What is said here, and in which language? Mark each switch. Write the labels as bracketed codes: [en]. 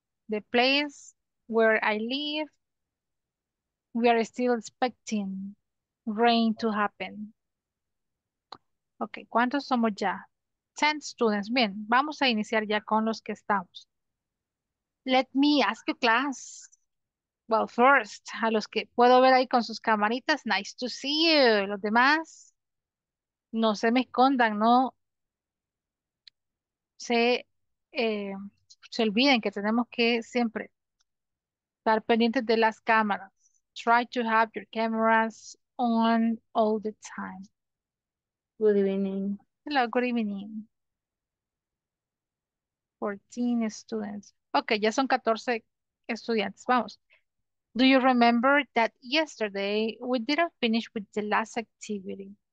[en] The place where I live, we are still expecting rain to happen. [es] Okay, ¿cuántos somos ya? [en] 10 students. [es] Bien, vamos a iniciar ya con los que estamos. [en] Let me ask you, class. Well, first, [es] a los que puedo ver ahí con sus camaritas, [en] nice to see you. [es] Los demás. No se me escondan, no se olviden que tenemos que siempre estar pendientes de las cámaras. [en] Try to have your cameras on all the time. Good evening. Hello, good evening. 14 students. Okay, [es] ya son 14 estudiantes. Vamos. [en] Do you remember that yesterday we didn't finish with the last activity?